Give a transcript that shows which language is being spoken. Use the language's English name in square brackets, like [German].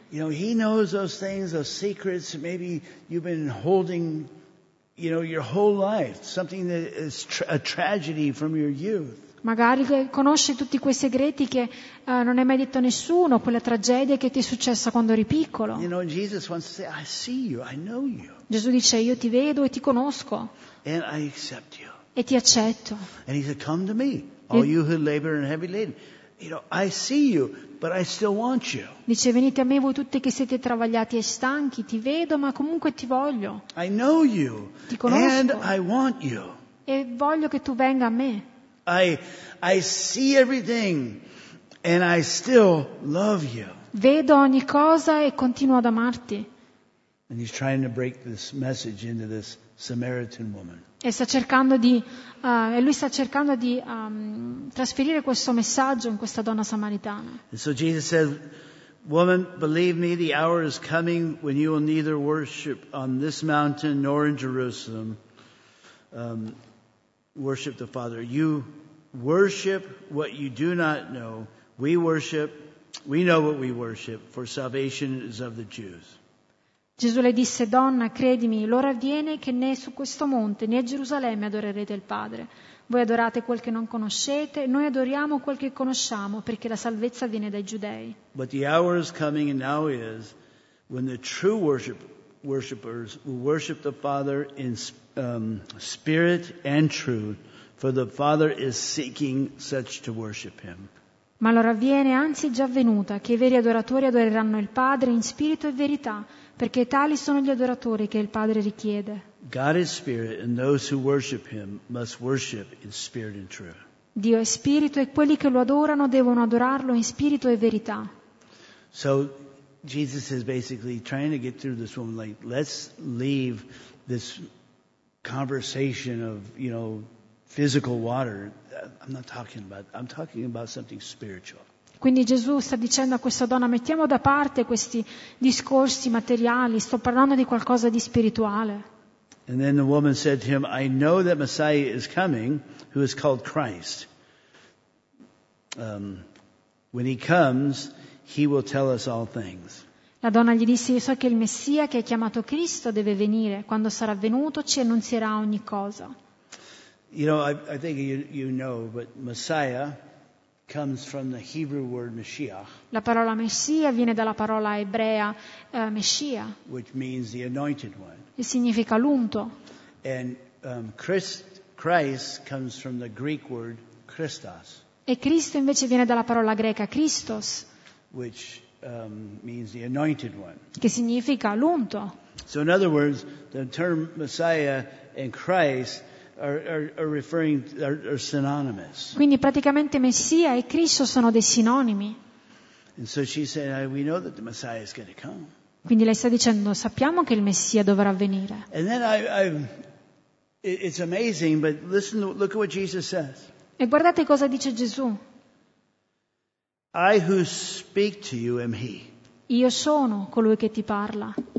[English] You know, he knows those things, those secrets, maybe you've been holding, you know, your whole life, something that is a tragedy from your youth. [Italian] Magari conosce tutti quei segreti che non hai mai detto a nessuno, quella tragedia che ti è successa quando eri piccolo. [English] You know, Jesus wants to say, I see you, I know you. [Italian] Gesù dice, io ti vedo e ti conosco. [English] And I accept you. [Italian] E ti accetto. [English] And he said, come to me, all you who labor and heavy laden. You know, I see you, but I still want you. [Italian] Dice, venite a me voi tutti che siete travagliati e stanchi, ti vedo, ma comunque ti voglio. [English] I know you. [Italian] Ti conosco. [English] And I want you. [Italian] E voglio che tu venga a me. [English] I see everything And I still love you. [Italian] Vedo ogni cosa e continuo ad amarti. [English] And he's trying to break this message into this Samaritan woman. [Italian] E sta cercando di trasferire questo messaggio in questa donna samaritana. [English] And so Jesus said, "Woman, believe me, the hour is coming when you will neither worship on this mountain nor in Jerusalem. Worship the Father. You worship what you do not know. We know what we worship, for salvation is of the Jews." [Italian] Gesù le disse: "Donna, credimi, l'ora avviene che né su questo monte né a Gerusalemme adorerete il Padre. Voi adorate quel che non conoscete, noi adoriamo quel che conosciamo, perché la salvezza viene dai giudei." [English] But the hour is coming, and now is, when the true worshippers will worship the Father in spirit and truth, for the Father is seeking such to worship him. [Italian] Ma l'ora avviene, anzi già venuta, che i veri adoratori adoreranno il Padre in spirito e verità, perché tali sono gli adoratori che il Padre richiede. [English] God is spirit, and those who worship him must worship in spirit and truth. [Italian] Dio è spirito, e quelli che lo adorano devono adorarlo in spirito e verità. [English] So Jesus is basically trying to get through this woman, like, let's leave this conversation of, you know, physical water. I'm talking about something spiritual. [Italian] Quindi Gesù sta dicendo a questa donna: mettiamo da parte questi discorsi materiali, sto parlando di qualcosa di spirituale. [English] And then the woman said to him, "I know that Messiah is coming, who is called Christ. When he comes, he will tell us all things." [Italian] La donna gli disse: "Io so che il Messia, che è chiamato Cristo, deve venire. Quando sarà venuto, ci annunzierà ogni cosa." [English] You know, I think you know, but Messiah comes from the Hebrew word Mashiach. [Italian] La parola Messia viene dalla parola ebrea Messiah, [English] which means the anointed one. [Italian] E significa l'unto. [English] And Christ comes from the Greek word Christos. [Italian] E Cristo invece viene dalla parola greca Christos, [English] which means the anointed one. [Italian] Che significa l'unto. [English] So in other words, the term Messiah and Christ are synonymous. [Italian] Quindi praticamente Messia e Cristo sono dei sinonimi. [English] And so she said, "We know that the Messiah is going to come." [Italian] Quindi lei sta dicendo: sappiamo che il Messia dovrà venire. [English] And then it's amazing, but listen, look at what Jesus says. [Italian] E guardate cosa dice Gesù. [English] "I who speak to you am he." [Italian] Io sono colui che ti parla.